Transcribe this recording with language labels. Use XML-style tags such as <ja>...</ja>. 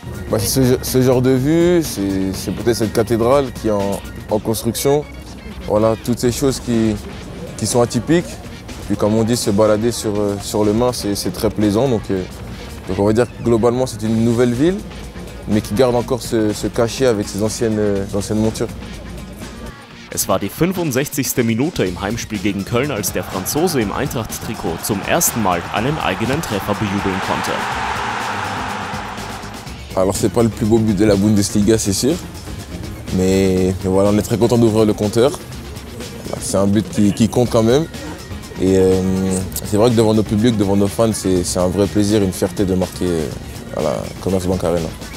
<fr>Ben, ce genre de vue, c'est peut-être cette cathédrale qui est en construction. Voilà, toutes ces choses qui sont atypiques. Puis comme on dit, se balader sur le Main, c'est très plaisant. Donc on va dire que globalement, c'est une nouvelle ville, mais qui garde encore ce cachet avec ses anciennes montures.</fr> <de>Es war die 65. Minute im Heimspiel gegen Köln, als der Franzose im Eintracht-Trikot zum ersten Mal einen eigenen Treffer bejubeln konnte.</de> <fr>Alors c'est pas le plus beau but de la Bundesliga, c'est sûr. Mais voilà, on est très content d'ouvrir le compteur. C'est un but qui compte quand même. Et c'est vrai que devant nos publics, devant nos fans, c'est un vrai plaisir, une fierté de marquer à la Commerzbank Arena.</fr>